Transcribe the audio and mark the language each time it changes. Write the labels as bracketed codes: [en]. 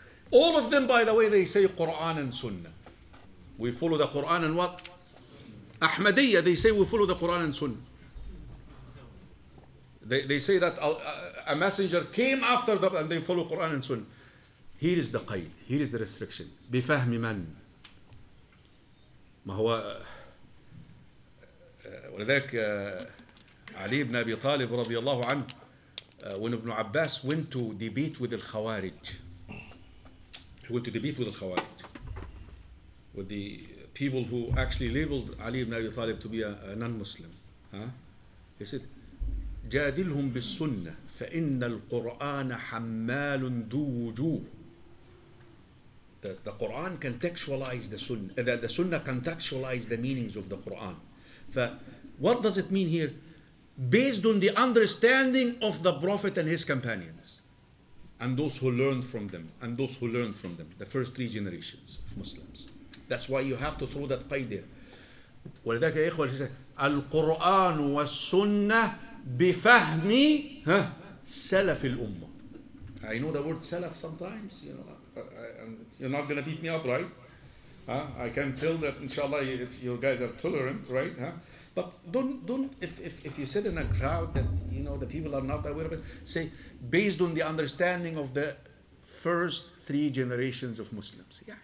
[en] All of them, by the way, they say Quran and Sunnah. We follow the Quran and what? Ahmadiyya, they say we follow the Quran and Sunnah. They say that a messenger came after them and they follow Quran and Sunnah. Here is the qaid. Here is the restriction. [ar] بفهم من ما هو ولذلك علي بن أبي طالب رضي الله عنه. [en] When Ibn Abbas went to debate with the Khawarij, with the people who actually labeled Ali ibn Abi Talib to be a non-Muslim, he said, "Jadilhum bil Sunnah, fa inna al Qur'an hammalun duju." The Quran contextualized the Sunnah. The Sunnah contextualized the meanings of the Quran. What does it mean here? Based on the understanding of the Prophet and his companions, and those who learned from them, and those who learned from them, the first three generations of Muslims. That's why you have to throw that qayd there. [ar] ولذلك يا إخوة القرآن والسنة بفهم سلف الأمة. [en] I know the word salaf sometimes, you know, you're not gonna beat me up, right? I can tell that inshallah it's, you guys are tolerant, right? But if you sit in a crowd that, you know, the people are not aware of it, say, based on the understanding of the first three generations of Muslims.